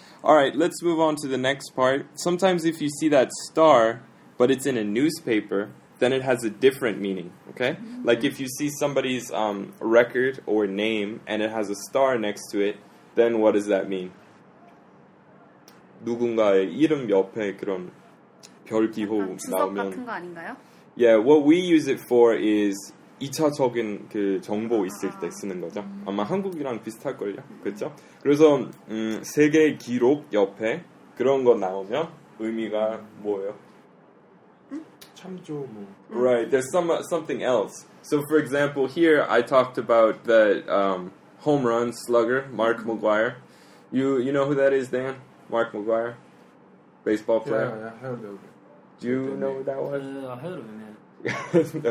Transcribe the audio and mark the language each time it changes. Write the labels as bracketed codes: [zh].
[en] Alright, let's move on to the next part. Sometimes if you see that star, but it's in a newspaper, then it has a different meaning, okay? Mm-hmm. Like if you see somebody's record or name and it has a star next to it, then what does that mean? [ko] 누군가의 이름 옆에 그런 별 기호 나오면 같은 거 아닌가요? [en] Yeah, what we use it for is [ko] 2차적인 그 정보 있을 때 쓰는 거죠. 아마 한국이랑 비슷할걸요. 그렇죠? 그래서 세계 기록 옆에 그런 거 나오면 의미가 뭐예요? 참조 뭐. [en] Right, there's something else. So for example, here I talked about that home run slugger, Mark McGuire. You know who that is, Dan? Mark McGuire? Baseball player? Yeah, I heard of it. Do you know who that was? Yeah, I heard of him, yeah.